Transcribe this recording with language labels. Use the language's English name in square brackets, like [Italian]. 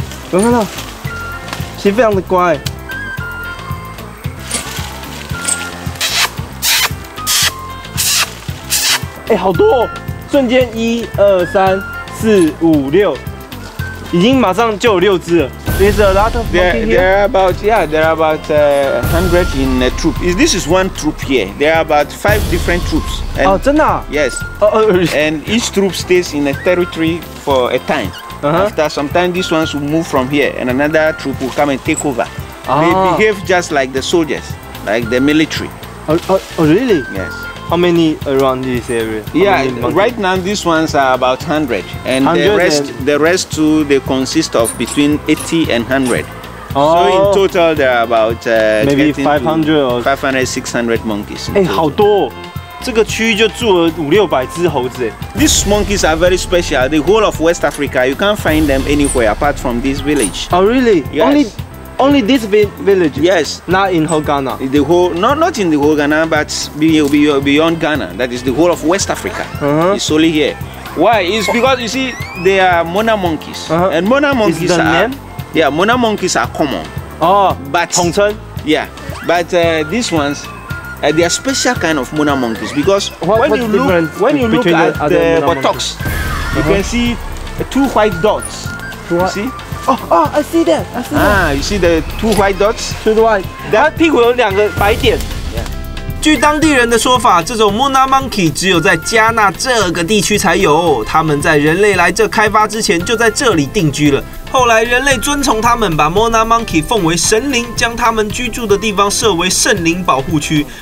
[Chinese] 有看到，其实非常的乖。哎，好多哦！瞬间1、2、3、4、5、6，已经马上就有6只了。 [English] There's a lot of monkey here. There are about 100 in a troop. This is one troop here. There are about 5 different troops. [Chinese] 哦，真的？ [English] Yes. And each troop stays in a territory for a time. Uh-huh. After sometimes these ones will move from here, and another troop will come and take over. Ah. They behave just like the soldiers, like the military. Really? Yes. How many around this area? Yeah, right now these ones are about 100, and 100 the rest too, they consist of between 80 and 100. Oh. So in total, there are about maybe 500 or 500-600 monkeys. [Chinese] 哎，好多。这个区域就住了500-600只猴子。 [English] These monkeys are very special. The whole of West Africa, you can't find them anywhere apart from this village. Oh, really? Yes. Only this village. Yes. Not in whole Ghana. The whole, not in the whole Ghana, but beyond Ghana. That is the whole of West Africa. Uh-huh. It's only here. Why? It's because you see, they are mona monkeys. Uh-huh. And mona monkeys is the are. Name? Yeah, mona monkeys are common. Oh. But. [Chinese] 统称? [English] Yeah. But these ones. They are special kind of mona monkeys because when you look at the buttocks, you can see two white dots. Oh, I see that. You see the two white dots? Two white. [Chinese] 它屁股有两个白点。据当地人的说法，这种 Mona Monkey 只有在加纳这个地区才有。他们在人类来这开发之前就在这里定居了。后来人类遵从他们，把 Mona Monkey 奉为神灵，将他们居住的地方设为圣灵保护区。